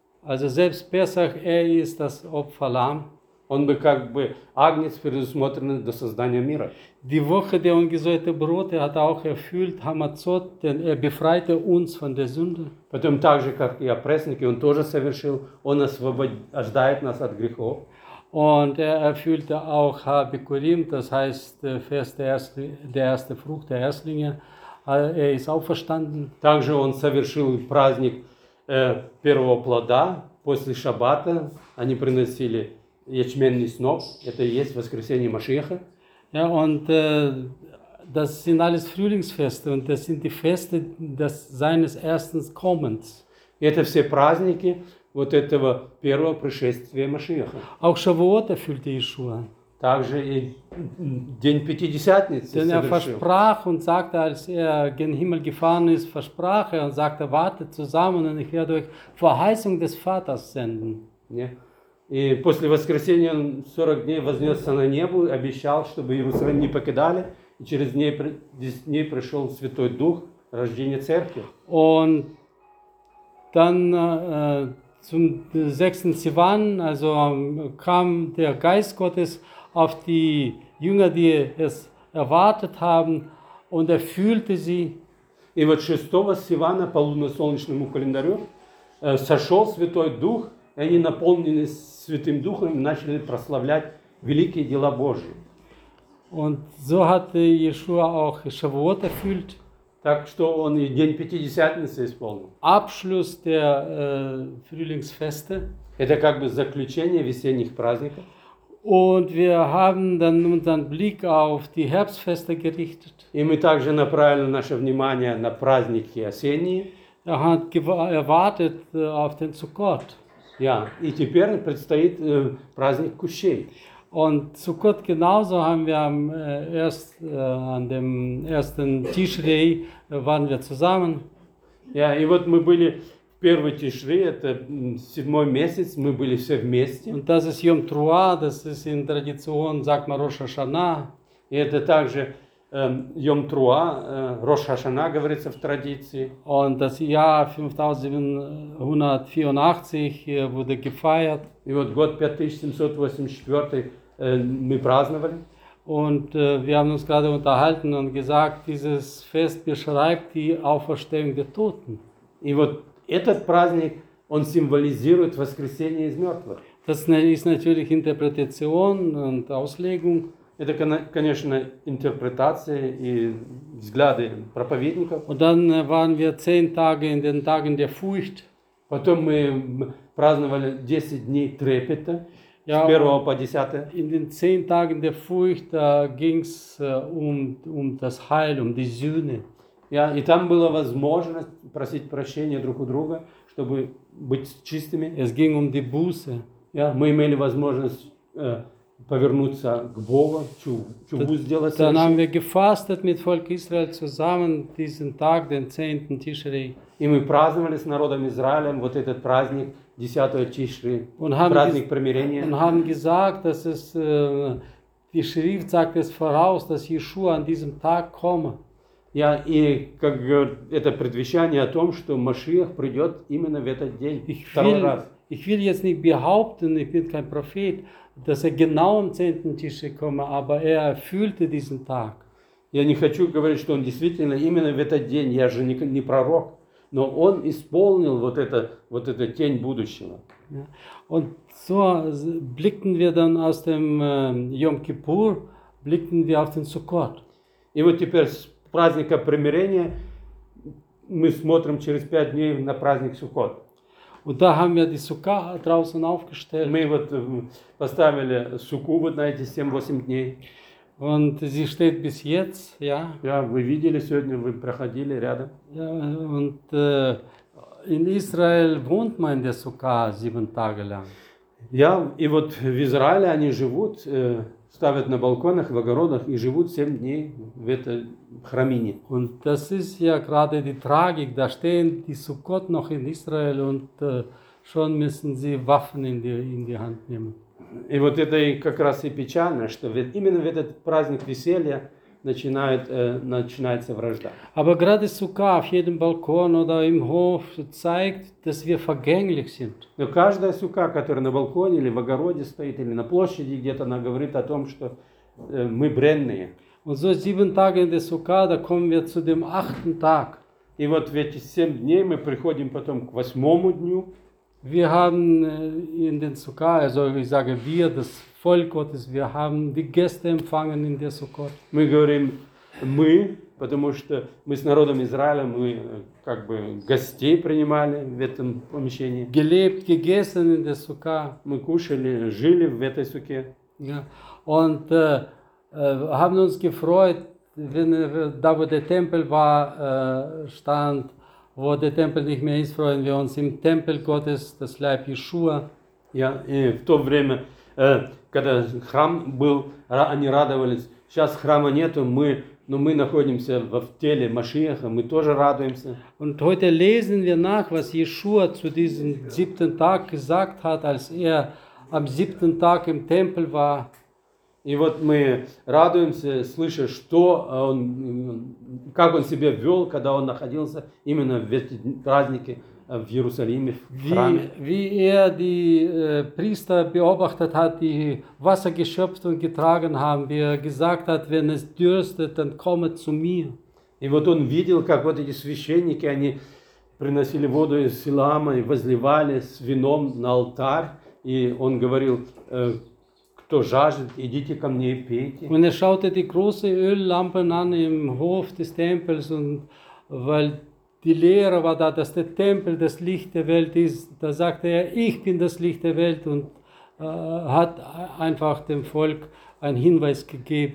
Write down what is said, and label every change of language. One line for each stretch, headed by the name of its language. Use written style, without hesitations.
German: Also selbst Pesach, ist das Opferlamm.
Russian: Он бы как бы агнец, предусмотренный до создания мира.
German: Die Woche, die
Russian: он
German: gesäuerte Brote, hat auch erfüllt Hamazot, denn befreite uns von der Sünde.
Russian: Потом так же, как и опресники, он тоже совершил, он освобождает нас от грехов.
German: Und erfüllte auch Habikurim, das heißt Fest der erste Frucht der Erstlinge. Ist auferstanden.
Russian: Также он совершил праздник первого плода после Шаббата. Они приносили ячменный сноп. Это и есть воскресение Машиаха.
German: Ja, und das sind alles Frühlingsfeste und das sind die Feste des seines ersten Kommens.
Russian: Это все праздники вот этого первого пришествия Машиаха.
German: Auch Shavuot erfüllte Yeshua.
Russian: Также и день Пятидесятницы совершил.
German: Denn er versprach und sagte, als gen Himmel gefahren ist, versprach und sagte, wartet zusammen, und ich werde euch Verheißung des Vaters senden.
Russian: И после воскресения он 40 дней вознесся на небо, обещал, чтобы Иерусалим не покидали, и через 10 дней пришел Святой Дух, рождение Церкви. Он
German: dann zum 6. Sivan, also kam der Geist Gottes auf die Jünger, die es erwartet haben, und erfüllte sie.
Russian: И вот 6. Сивана по лунно-солнечному календарю сошел Святой Дух, и они наполнились Святым Духом и начали прославлять великие дела Божьи.
German: Und so hat Yeshua auch Shavuot erfüllt.
Russian: Так что он и день Пятидесятницы исполнил.
German: Abschluss der Frühlingsfeste.
Russian: Это как бы заключение весенних праздников.
German: Und wir haben dann unseren Blick auf die Herbstfeste gerichtet.
Russian: И мы также направили наше внимание на праздники осенние.
German: Er hat erwartet auf den Sukkot. Ja,
Russian: и теперь предстоит праздник Кущей.
German: Und Sukkot genauso haben wir an dem ersten Tischrei waren wir zusammen. Ja,
Russian: и вот мы были в первый Тишри, это 7-й месяц, мы были все вместе.
German: Und das ist Yom Trua, das ist in Tradition, sagt man Rosh Hashanah.
Russian: И это также Yom Trua, Rosh Hashanah, говорится в традиции.
German: Und das Jahr 5784 wurde gefeiert.
Russian: И вот год 5784 мы праздновали.
German: Und wir haben uns gerade unterhalten und gesagt, dieses Fest beschreibt die Auferstehung der Toten.
Russian: И вот этот праздник, он символизирует воскресение из мертвых.
German: Das ist natürlich Interpretation und Auslegung.
Russian: Это, конечно, интерпретации и взгляды проповедников.
German: Und dann waren wir 10 Tage in den Tagen der Furcht.
Russian: Потом мы праздновали 10 дней трепета.
German: Ja,
Russian: с 1 по 10.
German: In den 10 Tagen der Furcht ging es um das Heil, um die Sühne.
Russian: И там была возможность просить прощения друг у друга, чтобы быть чистыми.
German: Es ging um die Buße. Ja,
Russian: мы имели возможность повернуться к Богу, чуву сделать.
German: Dann haben wir gefastet mit Volk Israel zusammen diesen Tag, den 10. Tischrei.
Russian: И мы праздновали с народом Израилем вот этот праздник 10-го Тишри, праздник примирения.
German: Und haben gesagt, dass es die Schrift sagt es voraus, dass Yeshua an diesem Tag komme. Ja,
Russian: и как это предвещание о том, что Машиах придет именно в этот день, второй раз.
German: Ich will jetzt nicht behaupten, ich bin kein Prophet, dass genau am 10. Tischrei komme, aber erfüllte diesen Tag.
Russian: Я не хочу говорить, что он действительно именно в этот день, я же не пророк, но он исполнил вот это тень будущего.
German: Und so blickten wir dann aus dem Yom Kippur, blickten wir auf den Sukkot.
Russian: И вот теперь с праздника примирения мы смотрим через 5 дней на праздник Суккот.
German: Und da haben wir die Sukka draußen aufgestellt.
Russian: Мы вот поставили Сукку вот на эти 7-8 дней.
German: Und sie steht bis jetzt, ja. Ja,
Russian: вы видели сегодня, вы проходили рядом.
German: Ja, und in Israel wohnt man in der Sukka 7 Tage lang. Ja,
Russian: и вот в Израиле они живут, ставят на балконах, в огородах и живут 7 дней в этой храмине.
German: Und das ist ja gerade die Tragik, da stehen die Sukkot noch in Israel und schon müssen sie Waffen in die Hand nehmen.
Russian: И вот это и как раз и печально, что именно в этот праздник веселья начинается вражда.
German: Aber gerade Sukka auf jedem Balkon oder im Hof zeigt, dass wir vergänglich sind.
Russian: Но каждая сука, которая на балконе или в огороде стоит или на площади где-то, она говорит о том, что мы бренные.
German: Und so 7 Tage in der Sukka, da kommen wir zu dem 8. Tag.
Russian: И вот в эти 7 дней мы приходим потом к 8-му дню.
German: Wir haben in den Sukka, also ich sage wir, das Volk Gottes, wir haben die Gäste empfangen in der Sukkot.
Russian: Мы говорим мы, потому что мы с народом Израиля, мы как бы гостей принимали в этом помещении.
German: Gelebt, gegessen in der Sukka.
Russian: Мы кушали, жили в этой Сукке.
German: Ja. Und haben uns gefreut, wenn da wo der Tempel war, stand, wo der Tempel nicht mehr ist, freuen wir uns im Tempel Gottes, das Leib Yeshua. Ja,
Russian: и в то время, когда храм был, они радовались. Сейчас храма нету, мы находимся в теле Машиаха, мы тоже радуемся.
German: Und heute lesen wir nach, was Yeshua zu diesem siebten Tag gesagt hat, als am siebten Tag im Tempel war.
Russian: И вот мы радуемся, слыша, что он, как он себя вел, когда он находился именно в эти праздники в Иерусалиме, в храме.
German: Wie die Priester beobachtet hat, die Wasser geschöpft und getragen haben, wie gesagt hat, wenn es dürstet, dann komme zu mir.
Russian: И вот он видел, как вот эти священники, они приносили воду из Силаама и возливали с вином на алтарь, и он говорил: кто жаждет, идите ко мне и пейте.
German: Und schaute die große Öllampen an im Hof des Tempels, und weil die Lehre war da, dass der Tempel das Licht der Welt ist, da sagte ich bin das Licht der Welt, und hat einfach dem Volk einen Hinweis gegeben.